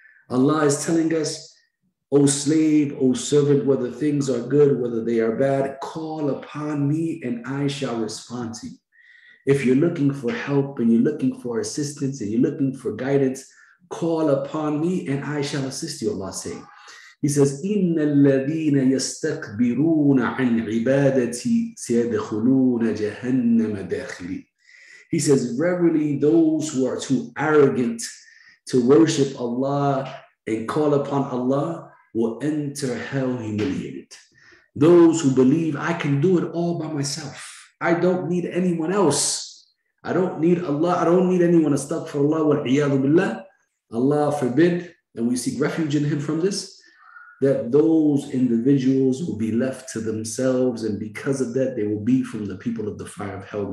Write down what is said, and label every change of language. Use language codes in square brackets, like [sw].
[en] Allah is telling us, O slave, O servant, whether things are good, whether they are bad, call upon me and I shall respond to you. If you're looking for help and you're looking for assistance and you're looking for guidance, call upon me and I shall assist you, Allah saying. He says, [ar] إِنَّ الَّذِينَ يَسْتَكْبِرُونَ عَنْ عِبَادَتِي سَيَدْخُلُونَ جَهَنَّمَ دَخْلِي. [en] He says, verily those who are too arrogant to worship Allah and call upon Allah will enter hell humiliated. Those who believe I can do it all by myself, I don't need anyone else, I don't need Allah, I don't need anyone, astaghfirullah wa al-iyadu billah, Allah forbid, and we seek refuge in him from this, that those individuals will be left to themselves, and because of that, they will be from the people of the fire of hell.